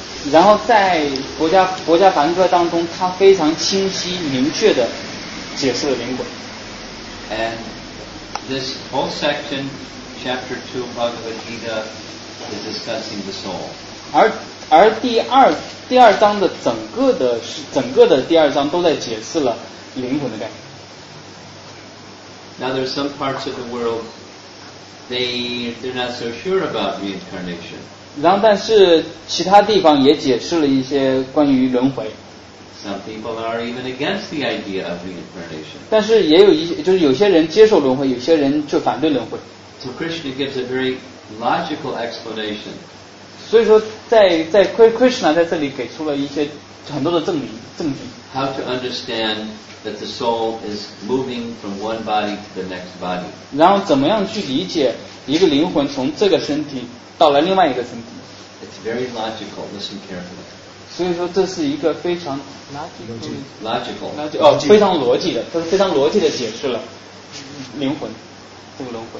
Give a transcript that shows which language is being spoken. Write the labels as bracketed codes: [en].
[zh] 然后在佛家梵歌当中，它非常清晰明确的解释了灵魂。 [en] And this whole section, chapter 2 Bhagavad Gita, is discussing the soul. [zh] 而第二章的整个的第二章都在解释了灵魂的概念。 [en] Now there are some parts of the world they're not so sure about reincarnation. [zh] 然后但是其他地方也解释了一些关于轮回。 [en] Some people are even against the idea of reincarnation. [zh] 但是也有一些就是有些人接受轮回，有些人就反对轮回。 [en] So Krishna gives a very logical explanation. [zh] 所以说在 Krishna 在这里给出了一些很多的证据。 [en] How to understand that the soul is moving from one body to the next body. [zh] 然后怎么样去理解一个灵魂从这个身体到了另外一个身体。 [en] It's very logical, listen carefully. [zh] 所以说这是一个非常 [en] logical, [zh] 非常逻辑的，它是非常逻辑的解释了灵魂，这个轮回。